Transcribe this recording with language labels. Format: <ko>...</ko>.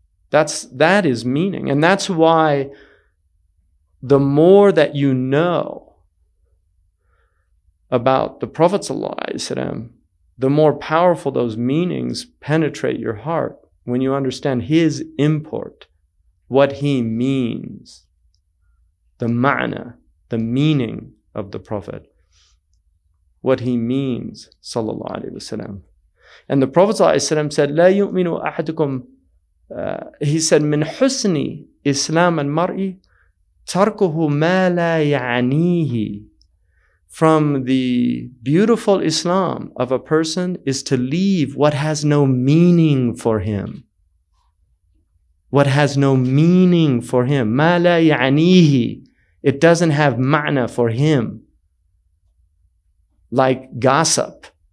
<en>That is meaning. And that's why the more that you know about the Prophet ﷺ, the more powerful those meanings penetrate your heart when you understand his import, what he means, the ma'na, the meaning of the Prophet, what he means, sallallahu alayhi wasallam.</en> <ar>And the Prophet ﷺ said, لَا يُؤْمِنُ أَحَدُكُمْ he said, مِنْ حُسْنِ إِسْلَامَ الْمَرْءِ تَرْكُهُ مَا لَا يَعْنِيهِ.</ar> <en>From the beautiful Islam of a person is to leave what has no meaning for him. What has no meaning for him.</en> <ar>مَا لَا يَعْنِيهِ.</ar> <en>It doesn't have ma'na for him. Like gossip.</en>